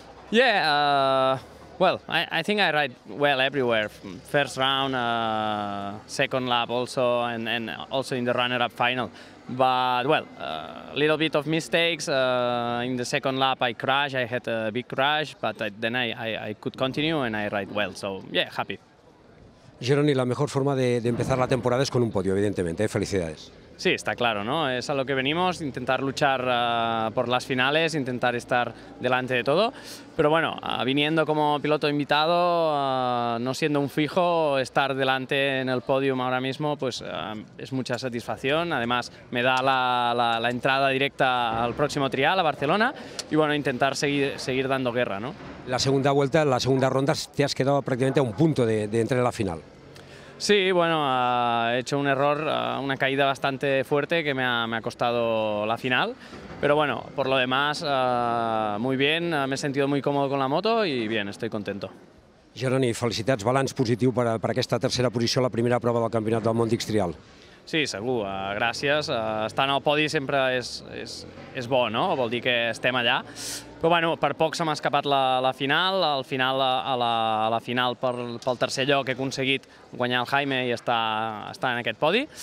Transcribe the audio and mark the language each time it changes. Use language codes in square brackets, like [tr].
[en] Yeah, well, I think I ride well everywhere. First round, second lap also, and also in the runner-up final. But, well, a little bit of mistakes. In the second lap, I crashed. I had a big crash, but then I could continue and I ride well. So, yeah, happy. [es] Jeroni, la mejor forma de empezar la temporada es con un podio, evidentemente. Felicidades. Sí, está claro, ¿no? Es a lo que venimos, intentar luchar por las finales, intentar estar delante de todo. Pero bueno, viniendo como piloto invitado, no siendo un fijo, estar delante en el podium ahora mismo, pues es mucha satisfacción. Además, me da la entrada directa al próximo trial, a Barcelona, y bueno, intentar seguir dando guerra, ¿no? La segunda vuelta, la segunda ronda, te has quedado prácticamente a un punto de entrar en la final. Sí, bueno, he hecho un error, una caída bastante fuerte que me ha costado la final. Pero bueno, por lo demás, muy bien, me he sentido muy cómodo con la moto y bien, estoy contento. [ca] Jeroni, felicitats, balanç positiu per aquesta tercera posició a la primera prova del Campionat del Món d'Xtrial. Sí, segur, gràcies. Estar en el podi sempre és bo, no? Vol dir que estem allà. Però bueno, per poc se m'ha escapat la final. Al final, a la final pel tercer lloc he aconseguit guanyar el Jaime i estar en aquest podi.